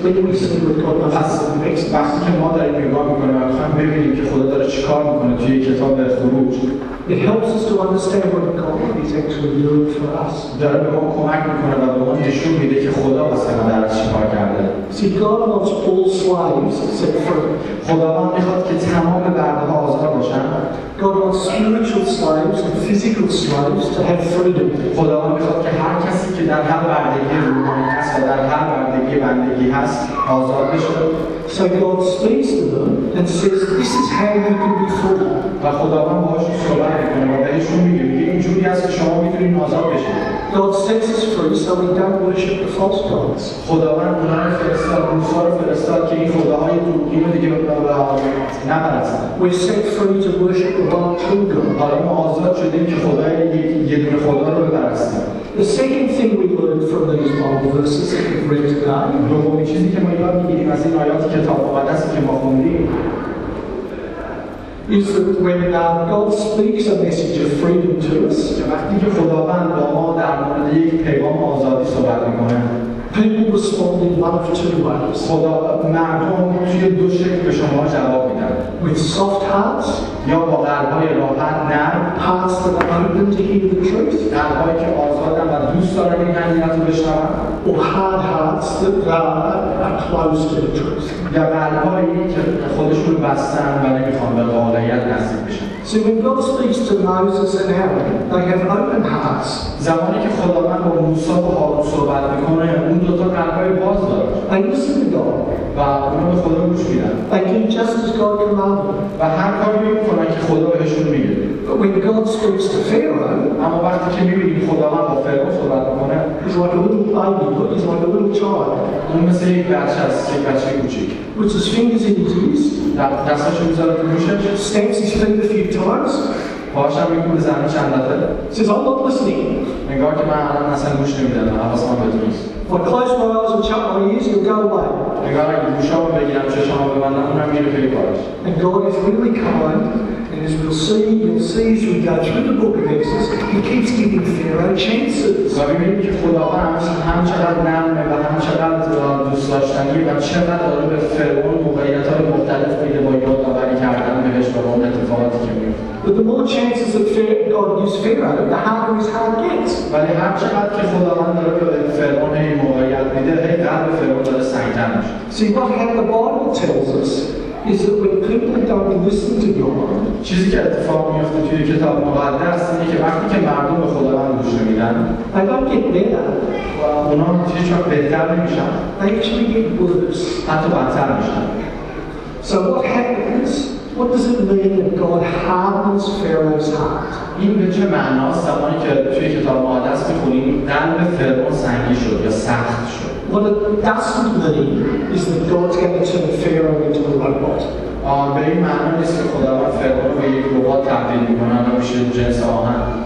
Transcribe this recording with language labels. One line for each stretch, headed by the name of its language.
Persian: پس که ما در این نگاه میکنیم و خواهیم ببینیم که خدا داره چی کار میکنه توی کتاب خروج.
English: It helps us to understand what God is actually doing for us.
Persian: داره به ما کمک میکنه و به ما نشون میده که خدا واسه ما در چی کار کرده.
English: See, God wants all slaves set free.
Persian: خداوند میخواد که تمام برده‌ها آزاد باشن.
English: God wants spiritual slaves and physical slaves to have freedom.
Persian: خداوند میخواد که هر کسی که در هر بردگی روحانی هست و در هر بردگی بندگی هست آزاد بشه.
English: So God speaks to them and says, "This is how you can be free."
Persian: و خداوند باهاشون صحبت میکنه و بهشون میگه اینجوری است که شما میتونید آزاد بشید.
English: God sets us free so we don't worship the false gods.
Persian: خداوند اونها رو فرستاد، موسی رو فرستاد که این خداهای دروغی رو دیگه نپرستن.
English: We're set free to worship the one true God.
Persian: حالا ما آزاد شدیم که خدای یک دونه خدا رو بپرستیم.
English: The second thing we learned from these Bible verses that we've read today.
Persian: دومین چیزی که ما یاد میگیریم از این آیات کتاب مقدس که ما خوندیم.
English: Is that when God speaks a message of freedom to us,
Persian: وقتی که خداوند با ما در مورد یک پیام آزادی صحبت میکنه،
English: people respond in one of two ways.
Persian: خدا مردم توی دو شکل به شما جواب میدن.
English: With soft hearts,
Persian: یا با قلبهای راحت نرم.
English: Hearts that are open to hear the truth,
Persian: قلبهایی که آزادن و دوست دارن این حقیقت رو بشنون.
English: Or hard hearts that are close to the truth,
Persian: یا قلبهایی که خودشون بستن و نمیخوان به واقعیت نزدیک بشن.
English: So when God speaks to Moses and Aaron, they have open hearts.
Persian: زمانی که خداوند با موسی و هارون صحبت میکنه، اون دو تا قلبای باز دارن.
English: They listen to God.
Persian: و اونو به خدا گوش میدن.
English: They do just as God commanded.
Persian: و هر کاری میکنن که خدا بهشون میگه.
English: But when God speaks to Pharaoh,
Persian: اما وقتی که میبینیم خداوند با فرعون صحبت میکنه،
English: he's like a little baby, but he's like a little child.
Persian: اون مثل یک بچه است، یک بچه کوچیک.
English: Puts his fingers in his ears.
Persian: دستاشو میذاره تو گوشش.
English: Stamps his feet a few times.
Persian: باهاش هم میگه به زمین چند دفعه.
English: Says I'm not listening.
Persian: انگار که من الان اصلا گوش نمیدم. حواس من بهت نیست.
English: If I close my eyes and shut my ears, you'll go away.
Persian: انگار اگه گوشامو بگیرم چشامو ببندم اونم میره پی کارش.
English: And God is really kind. And as we'll see as we go through the book of Exodus, he keeps giving Pharaoh chances.
Persian: و میبینیم که خداوند هم چقدر نرمه و هم چقدر دوست داشتنی و چقدر داره به فرعون موقعیت‌های مختلف میده با یادآوری کردن بهش و با اون اتفاقاتی که میفته.
English: But the more chances that God gives Pharaoh, the harder his heart gets.
Persian: ولی هر چقدر که خداوند داره به فرعون این موقعیت میده، هی قلب فرعون داره سنگین میشه.
English: See what the Bible tells us. Is that when people don't listen to God?
Persian: چیزی که اتفاق میفته توی کتاب مقدس اینه که وقتی که مردم به خداوند گوش نمیدن،
English: they don't get better.
Persian: اونا هیچ وقت بهتر نمیشن.
English: They actually get worse.
Persian: حتی بدتر میشن.
English: So what happens? What does it mean that God hardens Pharaoh's heart?
Persian: این به چه معناست زمانی که توی کتاب مقدس میخونیم قلب فرعون سنگی شد یا سخت شد؟
English: What it doesn't mean is that God's going to turn Pharaoh into a robot.
Persian: به این معنی نیست که خداوند فرعون رو یک ربات تبدیل می‌کنه و میشه جنس آهن.